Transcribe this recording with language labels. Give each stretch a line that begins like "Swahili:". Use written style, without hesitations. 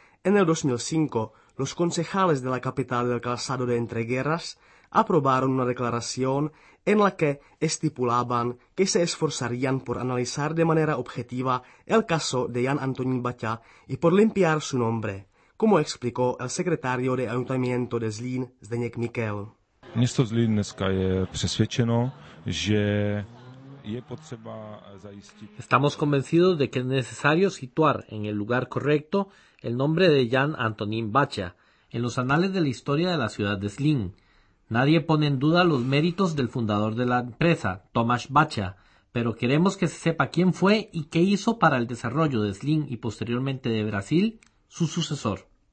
Spanish: En el 2005, los concejales de la capital del calzado de entreguerras aprobaron una declaración en la que estipulaban que se esforzarían por analizar de manera objetiva el caso de Jan Antonín Batya y por limpiar su nombre. como explicó el secretario de Ayuntamiento de Zlín, Zdeněk Mikel.
Czech: Město Zlín dneska je přesvědčeno, že je potřeba zajistit.
Spanish: Estamos convencidos de que es necesario situar en el lugar correcto el nombre de Jan Antonín Bacha en los anales de la historia de la ciudad de Zlín. Nadie pone en duda los méritos del fundador de la empresa, Tomáš Bacha, pero queremos que se sepa quién fue y qué hizo para el desarrollo de Zlín y posteriormente de Brasil, su sucesor.